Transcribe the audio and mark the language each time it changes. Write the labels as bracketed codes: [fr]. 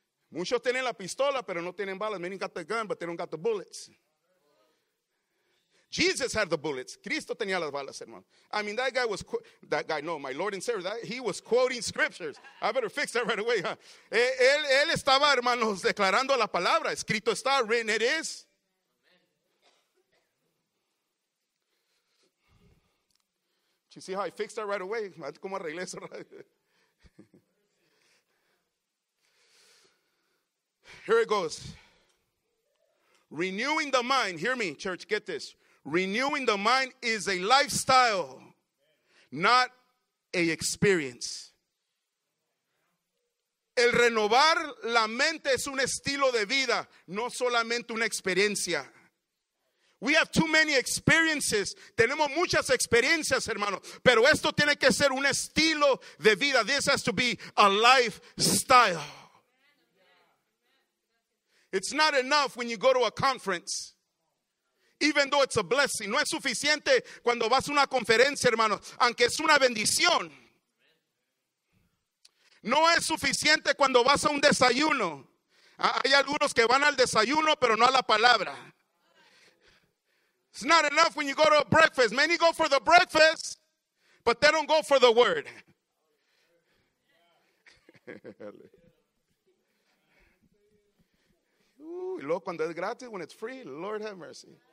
[es] Muchos tienen la pistola, pero no tienen balas. [en] Many got the gun, but they don't got the bullets. Jesus had the bullets. [es] Cristo tenía las balas, hermano. [en] I mean, that guy was, my Lord and Savior, he was quoting scriptures. I better fix that right away. Huh? [es] Él estaba, hermanos, declarando la palabra. Escrito está, [en] written it is. You see how I fixed that right away? [es] ¿Cómo arreglé eso? [en] Here it goes. Renewing the mind, hear me, church, get this. Renewing the mind is a lifestyle, not a experience. [es] El renovar la mente es un estilo de vida, no solamente una experiencia. [en] We have too many experiences. [es] Tenemos muchas experiencias, hermano. Pero esto tiene que ser un estilo de vida. [en] This has to be a lifestyle. It's not enough when you go to a conference, even though it's a blessing. [es] No es suficiente cuando vas a una conferencia, hermano, aunque es una bendición. No es suficiente cuando vas a un desayuno. Hay algunos que van al desayuno, pero no a la palabra. [en] It's not enough when you go to a breakfast. Many go for the breakfast, but they don't go for the word. [es] Y luego cuando es gratis, [en] when it's free, Lord have mercy.